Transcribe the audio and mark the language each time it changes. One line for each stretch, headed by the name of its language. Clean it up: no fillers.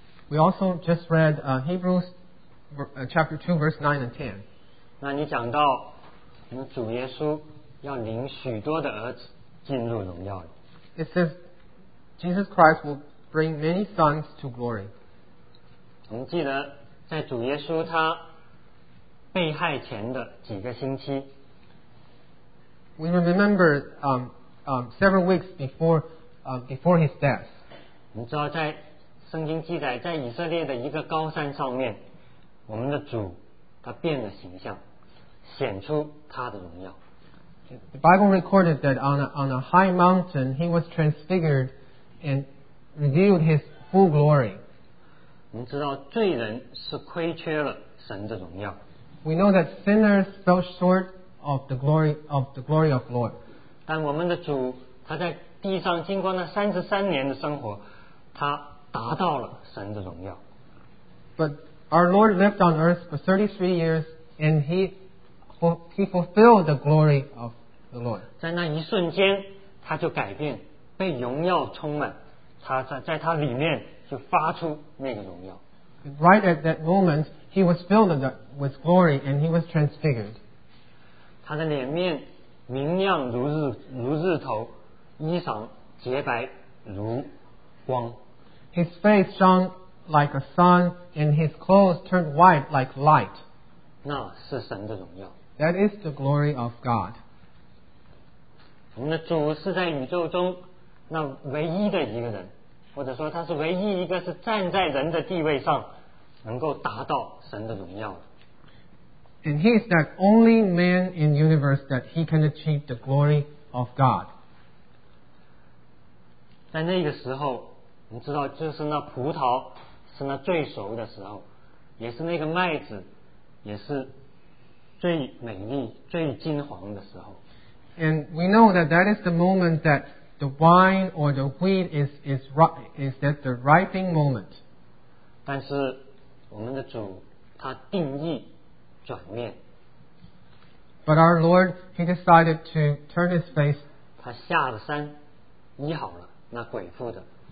English: We also just read Hebrews chapter 2, verse 9 and 10.
Chinese: 那你讲到，我们主耶稣要领许多的儿子进入荣耀里。
English: It says Jesus Christ will bring many sons to glory.
Chinese: 我们记得在主耶稣他被害前的几个星期,
English: we remember several weeks before his death.
Chinese: 你知道在圣经记载在以色列的一个高山上面我们的主他变了形象显出他的荣耀。
English: The Bible recorded that on a high mountain he was transfigured and revealed his full glory.
Chinese: 你知道罪人是亏缺了神的荣耀。
English: We know that sinners fell short of the glory of the glory of the Lord.
Chinese: 但我们的主他在地上经过那33年的生活他达到了神的荣耀。
English: But our Lord lived on earth for 33 years and he fulfilled the glory of the Lord.
Chinese: 在那一瞬间他就改变被荣耀充满他在他里面就发出那个荣耀。
English: Right at that moment, he was filled with glory and he was transfigured.
Chinese: 他的脸面明亮如日头衣裳洁白如光。
English: His face shone like a sun, and his clothes turned white like light.
Chinese: 那是神的荣耀。
English: That is the glory of God.
Chinese: 我们的主是在宇宙中那唯一的一个人，或者说他是唯一一个是站在人的地位上能够达到神的荣耀的。
English: And he is that only man in the universe that he can achieve the glory of God.
Chinese: 在那个时候你知道就是那葡萄是那最熟的时候也是那个麦子也是最美丽最金黄的时候。
English: And we know that that is the moment that the wine or the wheat is at the ripening moment.
Chinese: 但是我们的主他定义转念。
English: But our Lord, he decided to turn his face.
Chinese: 他下了山医好了那鬼妇的。